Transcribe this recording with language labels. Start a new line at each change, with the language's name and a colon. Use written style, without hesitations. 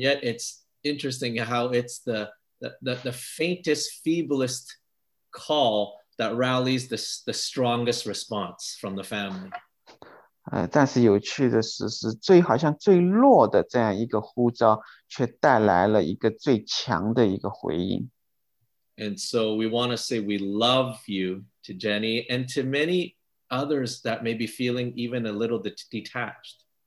English: yet it's interesting how it's the faintest, feeblest call that rallies the strongest response from the family.
Chinese: 但是有趣的是，最好像最弱的这样一个呼召，却带来了一个最强的一个回应。
English: And so we want to say we love you to Jenny and to many others that may be feeling even a little detached.